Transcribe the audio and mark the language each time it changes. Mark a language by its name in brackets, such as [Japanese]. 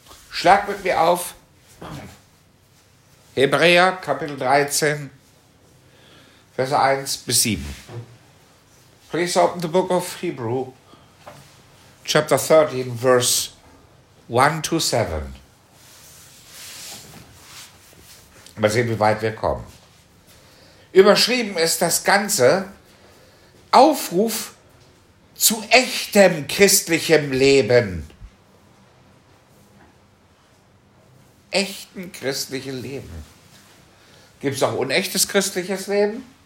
[German] Schlag mit mir auf. Hebräer, Kapitel 13, Vers 1 bis 7. [English] Please open the book of Hebrew, chapter 13, verse 1 to 7. [German] Mal sehen, wie weit wir kommen. Überschrieben ist das Ganze Aufruf zu echtem christlichem Leben. Echten christlichen Leben. Gibt es auch unechtes christliches Leben?